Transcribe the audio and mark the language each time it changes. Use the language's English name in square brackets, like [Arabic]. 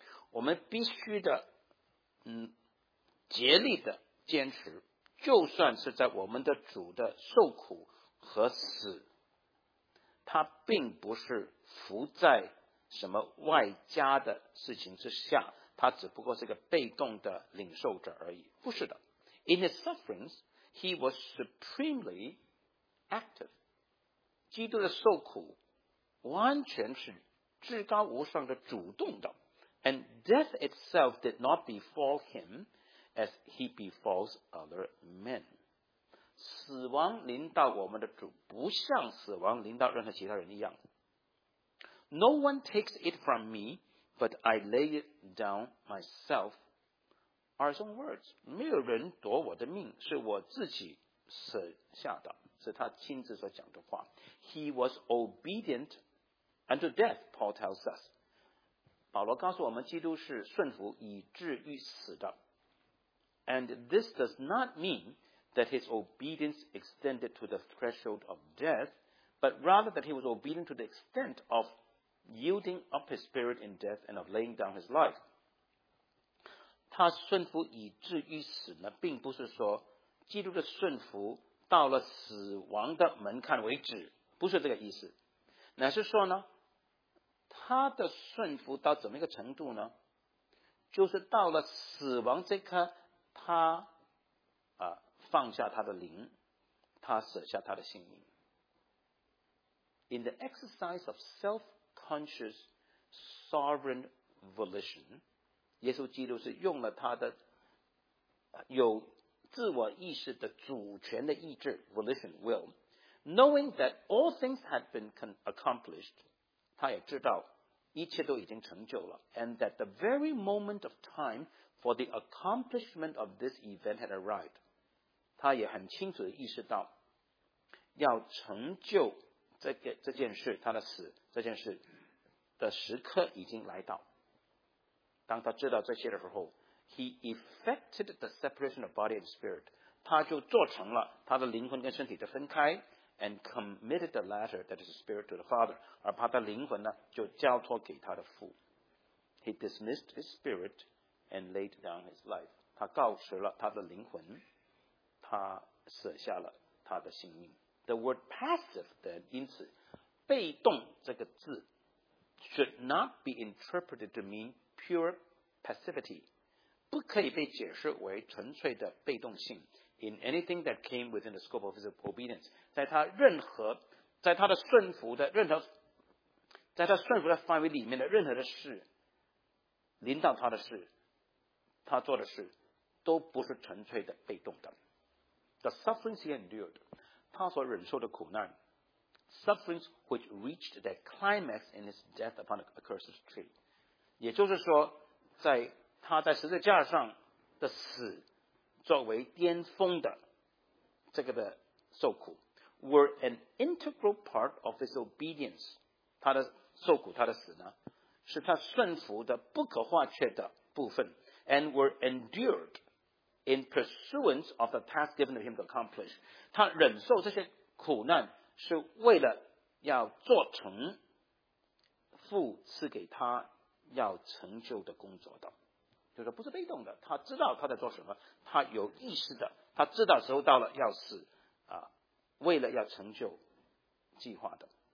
[Chinese] 我们必须的竭力的坚持，就算是在我们的主的受苦和死，他并不是服在什么外加的事情之下，他只不过是个被动的领受者而已，不是的。 [English] In his sufferings, he was supremely active. [Chinese] 基督的受苦完全是至高无上的主动的。 [English] And death itself did not befall him as he befalls other men. [Chinese] 死亡临到我们的主不像死亡临到任何其他人一样。 [English] No one takes it from me, but I lay it down myself. Are some words. [Chinese] 没有人夺我的命，是我自己舍下的。是他亲自所讲的话。 [English] He was obedient unto death, Paul tells us. [Chinese] 保罗告诉我们基督是顺服以至于死的。 [English] And this does not mean that his obedience extended to the threshold of death, but rather that he was obedient to the extent of yielding up his spirit in death and of laying down his life. [Chinese] 他顺服以至于死呢，并不是说基督的顺服到了死亡的门槛为止，不是这个意思。乃是说呢，他的顺服到怎么一个程度呢？就是到了死亡这刻，他放下他的灵，他舍下他的性命。 [English] In the exercise of self-conscious sovereign volition, [Chinese] 耶稣基督是用了他的有自我意识的主权的意志 [English] volition, will, knowing that all things had been accomplished, [Chinese] 他也知道一切都已经成就了， [English] and that the very moment of time for the accomplishment of this event had arrived, [Chinese] 他也很清楚地意识到要成就这件事，他的死这件事的时刻已经来到。当他知道这些的时候， [English] He effected the separation of body and spirit， [Chinese] 他就做成了他的灵魂跟身体的分开， [English] and committed the latter, that is the spirit, to the Father， [Chinese] 而把他灵魂呢就交托给他的父。 [English] He dismissed his spirit and laid down his life， [Chinese] 他告辞了他的灵魂，他舍下了他的性命。 [English] The word passive then, [Chinese] 因此被动这个字 [English] should not be interpreted to mean pure passivity， [Chinese] 不可以被解释为纯粹的被动性。 [English] In anything that came within the scope of his obedience， [Chinese] 在他任何在他的顺服的任何在他顺服的范围里面的任何的事，临到他的事，他做的事，都不是纯粹的被动的。 [English] The sufferings he endured， [Chinese] 他所忍受的苦难， [English] sufferings which reached their climax in his death upon the accursed tree， [Chinese] 也就是说在他在十字架上的死作为巅峰的这个的受苦， [English] were an integral part of his obedience， [Chinese] 他的受苦他的死呢是他顺服的不可或缺的部分。 [English] And were endured in pursuance of the task given to him to accomplish. [Chinese] 他忍受这些苦难是为了要做成父赐给他要成就的工作的。就是不是被动的，他知道他在做什么，他有意识的，他知道时候到了要死啊，为了要成就计划的。